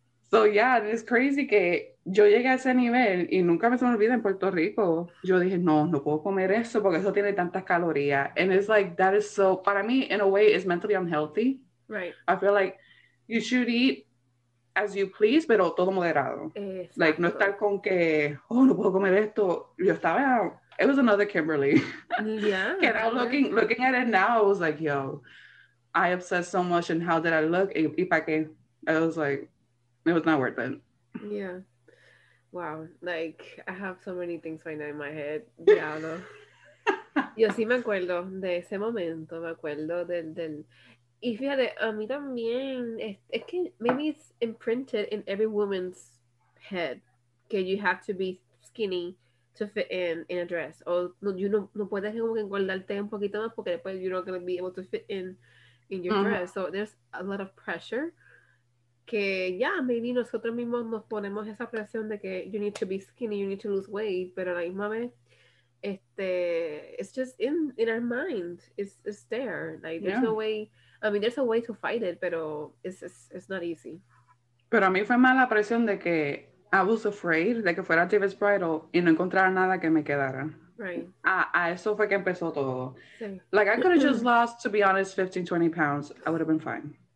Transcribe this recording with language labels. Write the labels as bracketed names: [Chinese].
[Spanish] So yeah, it is crazy que yo llegué a ese nivel y nunca me se me olvida en Puerto Rico. Yo dije, no, no puedo comer eso porque eso tiene tantas calorías. [English] And it's like, that is so, para mí, in a way, it's mentally unhealthy. Right. I feel like you should eat as you please, pero todo moderado. [Spanish] Exacto. Like, no estar con que, oh, no puedo comer esto. [English] Yo estaba, it was another Kimberly. Yeah. And I'm looking at it now, I was like, yo, I obsessed so much and how did I look? Y para qué? I was like, it was not worth it. Yeah. Wow. Like, I have so many things right now in my head. Diablo. [Spanish] Yo sí me acuerdo de ese momento. Me acuerdo del... Y fíjate, a mí también... [English] Es que maybe it's imprinted in every woman's head. Que you have to be skinny to fit in a dress. [Spanish] O no puedes como que engordarte un poquito más porque después you're not going to be able to fit in your uh-huh. [English] dress. So there's a lot of pressure. Que ya, yeah, maybe nosotros mismos nos ponemos esa presión de que you need to be skinny, you need to lose weight, pero a la misma vez, it's just in our mind, it's there, like there's no way, I mean there's a way to fight it, pero it's not easy. [Spanish] Pero a mí fue más la presión de que I was afraid de que fuera David's Bridal y no encontrara nada que me quedara. [English] Right. [Spanish] A eso fue que empezó todo. Sí. [English] Like I could have just lost, to be honest, 15, 20 pounds, I would have been fine.